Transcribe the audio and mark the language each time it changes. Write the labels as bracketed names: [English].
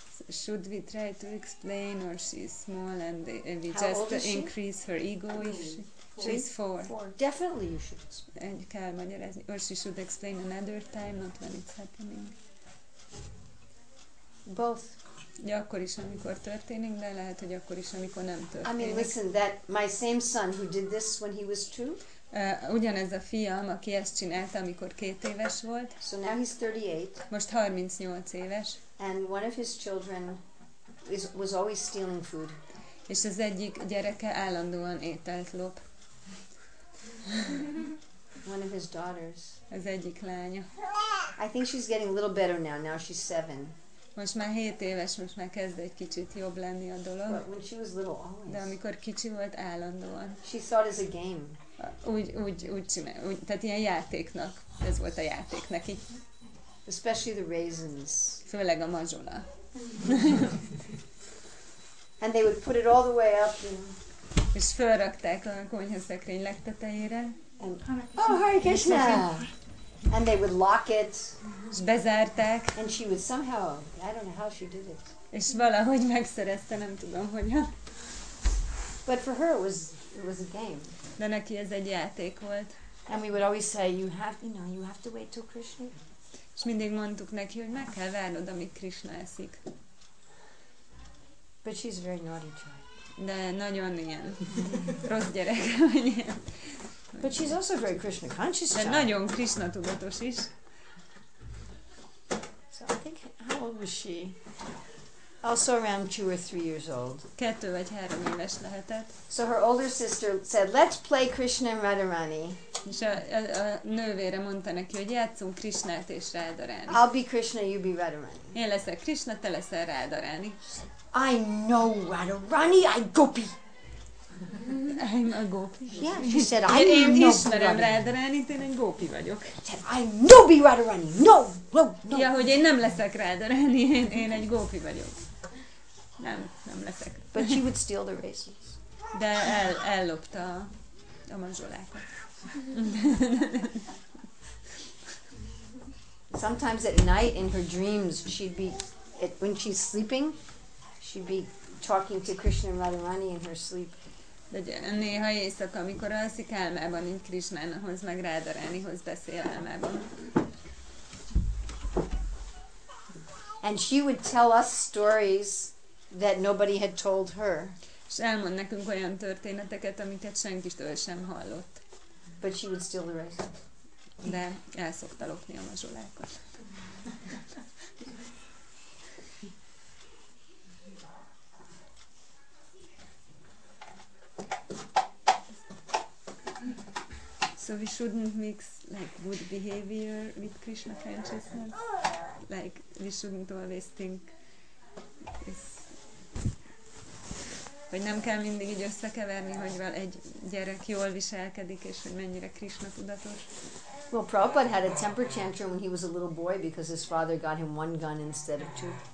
[English] Should we try to explain, or she's small and we how just increase her ego? How old is she? She's four. Definitely you should explain. And you can [Hungarian] magyarázni. [English] Or she should explain another time, not when it's happening. Both. [Hungarian] Ja, akkor is, amikor történik, de lehet, hogy akkor is, amikor nem történik. [English] I mean, listen, that my same son who did this when he was two. [Hungarian] Ugyanez a fiam, aki ezt csinálta, amikor két éves volt. [English] So now he's 38. [Hungarian] Most 38 éves. [English] And one of his children was always stealing food. [Hungarian] És az egyik gyereke állandóan ételt lop. [English] One of his daughters. [Hungarian] Az egyik lánya. [English] I think she's getting a little better now. Now she's 7. [Hungarian] Most már 7 éves, most már kezd egy kicsit jobb lenni a dolog. [English] But when she was little, always. [Hungarian] De amikor kicsi volt, állandóan. [English] She thought it was a game. [Hungarian] Úgy, tehát ilyen játéknak. Ez volt a játék neki. [English] Especially the raisins. [Hungarian] Főleg a mazsola. [English] And they would put it all the way up. And [Hungarian] és felrakták a konyhaszekrény legtetejére. [English] And, oh, Hare Krishna! And they would lock it. [Hungarian] És bezárták. [English] And she would somehow, I don't know how she did it. [Hungarian] És valahogy megszerezte, nem tudom, hogyan. [English] But for her it was a game. [Hungarian] De neki ez egy játék volt. [English] And we would always say, you have to wait till Krishna. [Hungarian] És mindig mondtuk neki, hogy meg kell várnod, amíg Krishna eszik. [English] But she's a very naughty child. [Hungarian] De nagyon ilyen rossz gyerek. Ilyen. [English] But she's also a very Krishna conscious child. [Hungarian] De nagyon Krishna tudatos is. [English] So I think, how old was she? Also around 2 or 3 years old. [Hungarian] 2 vagy 3 éves lehetett. [English] So her older sister said, let's play Krishna and Radharani. [Hungarian] És a nővére mondta neki, hogy játszunk Krishnát és Radharani. [English] I'll be Krishna, you be Radharani. [Hungarian] Én leszek Krishna, te leszel Radharani. [English] I know Radharani, I gopi. I'm a gopi. Yeah, she said, I know Radharani. [Hungarian] Én ismerem Radharani, én egy gopi vagyok. [English] She said, I know be Radharani, no. [Hungarian] Ja, hogy én nem leszek Radharani, én egy gopi vagyok. Nem leszek. [English] But she would steal the races. [Hungarian] De ellopta a mazsolákat. [English] Sometimes at night in her dreams when she's sleeping she'd be talking to Krishna and Radharani in her sleep. [Hungarian] De néha éjszaka, amikor alszik álmában, így Krishnához meg Radharanihoz beszél álmában. [English] And she would tell us stories that nobody had told her. [Hungarian] És elmond nekünk olyan történeteket, amiket senkitől sem hallott. [English] But she would steal the rice. [Hungarian] De el szokta lopni a mazsolákat. [English] So we shouldn't mix like good behavior with Krishna consciousness. Like we shouldn't always think it's [Hungarian] hogy nem kell mindig így összekeverni, hogy vel egy gyerek jól viselkedik, és hogy mennyire Krishna tudatos. [English] Well, Prabhupada had a temper tantrum when he was a little boy because his father got him one gun instead of two.